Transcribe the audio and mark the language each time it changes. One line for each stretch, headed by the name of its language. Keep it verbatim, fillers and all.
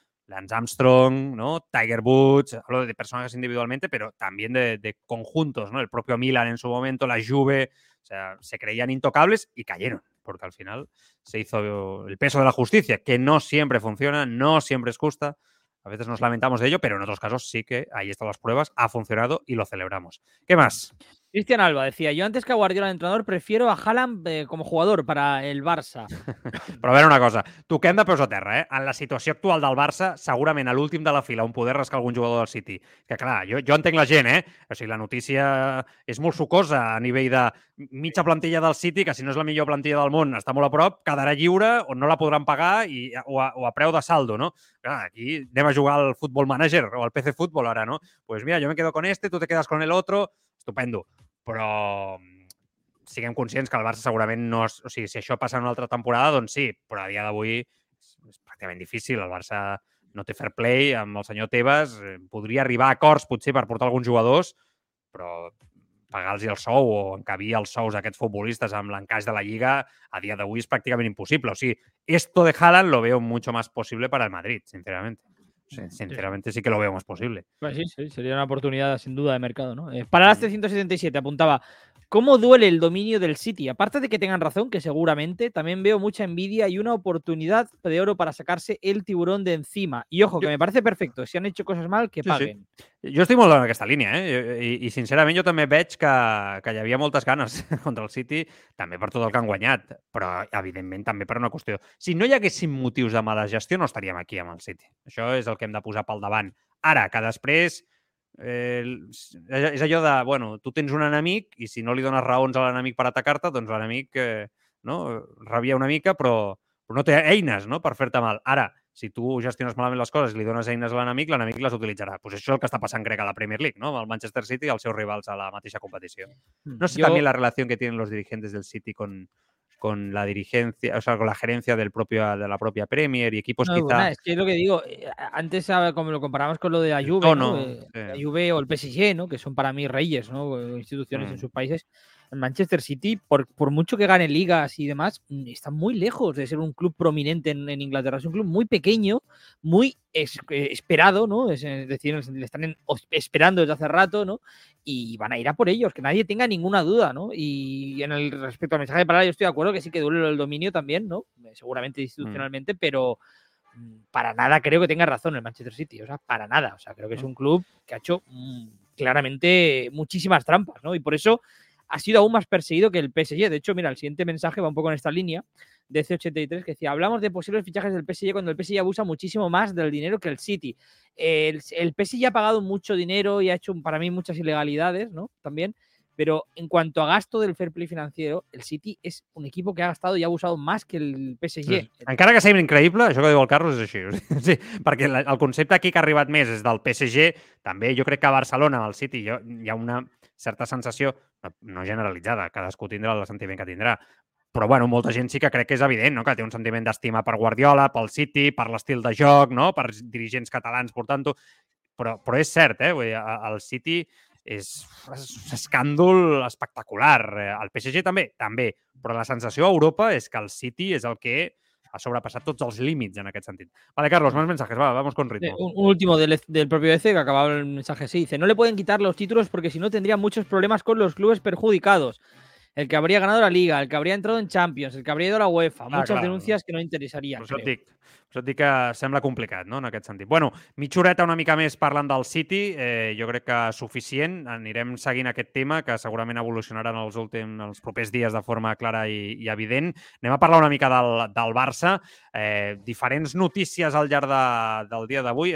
Spanish: Lance Armstrong, ¿no?, Tiger Woods, hablo de personajes individualmente, pero también de, de conjuntos, ¿no? El propio Milan en su momento, la Juve, o sea, se creían intocables y cayeron, porque al final se hizo el peso de la justicia, que no siempre funciona, no siempre es justa. A veces nos lamentamos de ello, pero en otros casos sí que ahí están las pruebas, ha funcionado y lo celebramos. ¿Qué más? Cristian Alba decía, yo antes que a Guardiola de entrenador prefiero a Haaland eh, como jugador para el Barça.
Catalan: Però a veure una cosa, toquem de peus a terra, eh? En la situació actual del Barça, segurament a l'últim de la fila on poder rascar algun jugador del City. Que clar, jo, jo entenc la gent, eh? O sigui, la notícia és molt sucosa a nivell de mitja plantilla del City, que si no és la millor plantilla del món està molt a prop, quedarà lliure o no la podran pagar i, o, a, o a preu de saldo, no? Clar, aquí anem a jugar al Football Manager o al P C Fútbol ara, no?
Spanish: Pues mira, yo me quedo con este, tú te quedas con el otro, estupendo.
Catalan: Però siguem conscients que el Barça segurament no... És, o sigui, si això passa en una altra temporada, doncs sí, però a dia d'avui és pràcticament difícil. El Barça no té fair play amb el senyor Tebas. Podria arribar a acords, potser, per portar alguns jugadors, però pagar-los el sou o encabir els sous d'aquests futbolistes amb l'encaix de la Lliga a dia d'avui és pràcticament impossible. O sigui,
Spanish: esto de Haaland lo veo mucho más posible para el Madrid, sinceramente. Sinceramente sí que lo veo más posible. Pues sí, sí, sería una oportunidad sin duda de mercado, ¿no? Eh, para las trescientos setenta y siete apuntaba, ¿cómo duele el dominio del City? Aparte de que tengan razón, que seguramente, también veo mucha envidia y una oportunidad de oro para sacarse el tiburón de encima. Y ojo, que me parece perfecto. Si han hecho cosas mal, que paguen. Sí, sí.
Catalan: Jo estic molt en aquesta línia, eh? I, i sincerament jo també veig que, que hi havia moltes ganes contra el City, també per tot el que han guanyat, però evidentment també per una qüestió. Si no hi haguessin motius de mala gestió, no estaríem aquí amb el City. Això és el que hem de posar pel davant. Ara, que després eh, és allò de, bueno, tu tens un enemic i si no li dones raons a l'enemic per atacar-te, doncs l'enemic eh, no, rabia una mica, però, però no té eines, no?, per fer-te mal. Ara, si tu gestiones malament les coses i li dones eines a l'enemic, l'enemic les utilitzarà. Pues això és el que està passant, crec, a la Premier League, no?, amb el Manchester City i els seus rivals a la mateixa competició. No sé jo...
Spanish: también la relación que tienen los dirigentes del City con, con la dirigencia, o sea, con la gerencia del propio, de la propia Premier y equipos no, quizá... Bueno, es que es lo que digo, antes como lo comparamos con lo de la Juve, no, no, ¿no? Sí. La Juve o el P S G, ¿no?, que son para mí reyes, ¿no?, instituciones mm. en sus países. El Manchester City, por, por mucho que gane ligas y demás, está muy lejos de ser un club prominente en, en Inglaterra. Es un club muy pequeño, muy es, eh, esperado, ¿no? Es, es decir, le están en, esperando desde hace rato, ¿no? Y van a ir a por ellos, que nadie tenga ninguna duda, ¿no? Y en el respecto al mensaje de palabra, yo estoy de acuerdo que sí que duele el dominio también, ¿no? Seguramente institucionalmente, mm. pero para nada creo que tenga razón el Manchester City. O sea, para nada. O sea, creo que es un club que ha hecho mm, claramente muchísimas trampas, ¿no? Y por eso... ha sido aún más perseguido que el P S G. De hecho, mira, el siguiente mensaje va un poco en esta línea de C ochenta y tres, que decía: hablamos de posibles fichajes del P S G cuando el P S G abusa muchísimo más del dinero que el City. El, el P S G ha pagado mucho dinero y ha hecho, para mí, muchas ilegalidades, ¿no? También. Pero en cuanto a gasto del fair play financiero, el City és un equipo que
Catalan: ha gastat i ha abusat més
Spanish: que el P S G.
Catalan: Encara que sembla increïble, això que diu el Carlos és així. Sí, perquè el concepte aquí que ha arribat més és del P S G. També jo crec que a Barcelona, al City, hi ha una certa sensació, no generalitzada, cadascú tindrà el sentiment que tindrà, però bueno, molta gent sí que crec que és evident, no? Que té un sentiment d'estima per Guardiola, pel City, per l'estil de joc, no? Per dirigents catalans portant-ho. Però, però és cert, eh? Vull dir, el City... És, és un escàndol espectacular. El P S G també, també. Però la sensació a Europa és que el City és el que ha sobrepassat tots els límits en aquest sentit.
Spanish: Vale, Carlos, más mensajes. Va, vamos con ritmo. Un, un último del, del propio E C, que acababa el mensaje. Sí, dice: no le pueden quitar los títulos porque si no tendría muchos problemas con los clubes perjudicados. El que habría ganado la Liga, el que habría entrado en Champions, el que habría ido a la UEFA. Ah, muchas
Catalan: clar, denúncies
Spanish: que no interessarían.
Catalan: Això et dic, això et dic que sembla complicat, no?, en aquest sentit. Bueno, mitjoreta una mica més parlant del City. Eh, jo crec que suficient. Anirem seguint aquest tema, que segurament evolucionarà en els, últims, en els propers dies de forma clara i, i evident. Anem a parlar una mica del, del Barça. Eh, diferents notícies al llarg de, del dia d'avui.